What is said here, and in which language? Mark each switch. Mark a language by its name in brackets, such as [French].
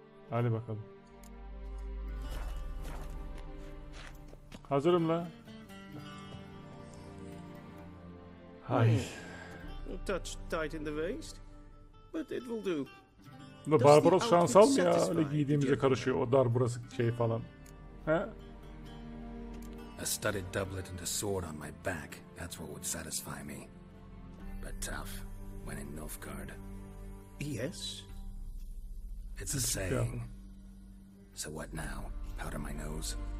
[Turkish] Hadi bakalım. Hazırım la. Hay. [English] A touch tight in the waist, but it will do. [Turkish] Bu Barbaros şansal mı ya? Öyle giydiğimize karışıyor o dar burası şey falan. He? [English] A studded doublet and a sword on my back. That's what would satisfy me. But tough when in Nilfgaard. Yes. It's a saying. Yeah. So what now? Powder my nose?